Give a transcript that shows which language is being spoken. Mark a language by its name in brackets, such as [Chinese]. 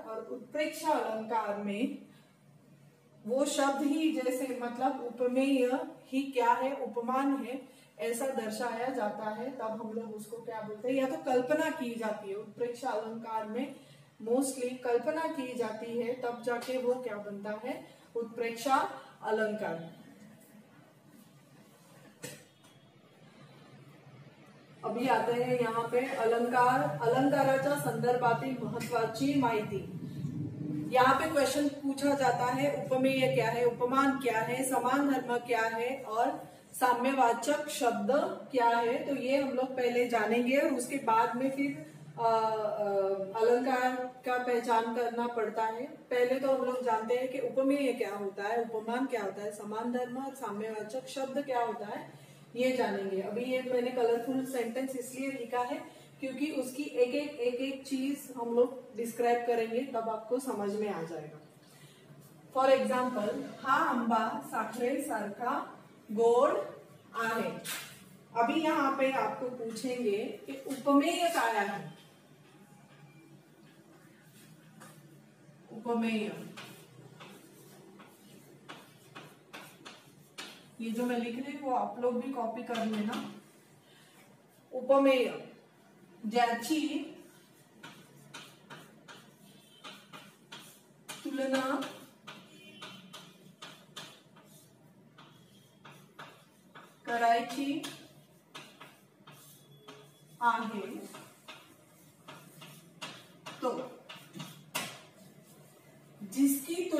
[Hindi] और उत्प्रेक्षा अलंकार में वो शब्द ही, जैसे मतलब उपमेय ही क्या है, उपमान है, ऐसा दर्शाया जाता है, तब हम लोग उसको क्या बोलते हैं, या तो कल्पना की जाती है। उत्प्रेक्षा अलंकार में मोस्टली कल्पना की जाती है, तब जाके वो क्या बनता है, उत्प्रेक्षा अलंकार। अभी आते हैं यहाँ पे अलंकार, [Marathi] अलंकाराच्या संदर्भातील महत्वाची माहिती। [Hindi] यहाँ पे क्वेश्चन पूछा जाता है, उपमेय क्या है, उपमान क्या है, समान धर्म क्या है, और साम्यवाचक शब्द क्या है। तो ये हम लोग पहले जानेंगे और उसके बाद में फिर अलंकार का पहचान करना पड़ता है। पहले तो हम लोग जानते हैं कि उपमेय क्या होता है, उपमान क्या होता है, समान धर्म और साम्यवाचक शब्द क्या होता है, ये जानेंगे। अभी ये मैंने कलरफुल सेंटेंस इसलिए लिखा है क्योंकि उसकी एक एक एक एक चीज हम लोग डिस्क्राइब करेंगे, तब आपको समझ में आ जाएगा। [English] for example, [Marathi] हा अंबा साखरे सारखा गोल आहे। [Hindi] अभी यहाँ पे आपको पूछेंगे कि उपमेय काया है, उपमेय ये जो मैं लिख रही हूं वो आप लोग भी कॉपी कर लेना। [Marathi] उपमेय ज्याची तुलना करायची आहे, [Hindi] तो जिसकी